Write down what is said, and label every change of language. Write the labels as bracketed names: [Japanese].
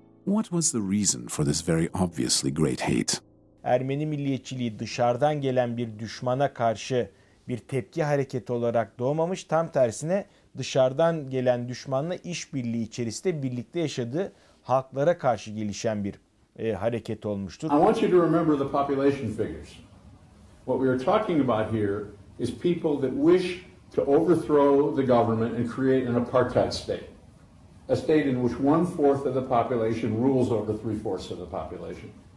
[English] What was the reason for this very obviously great hate? [Turkish] Ermeni milliyetçiliği dışarıdan gelen bir düşmana karşı bir tepki hareketi olarak doğmamış, tam tersine dışarıdan gelen düşmanla işbirliği içerisinde birlikte yaşadığı halklara karşı gelişen bir hareket olmuştur. [English] I want you to remember the population figures. What we are talking about here is people that wish to overthrow the government and create an apartheid state. A state in which 1/4 of the population rules over 3/4 of the population.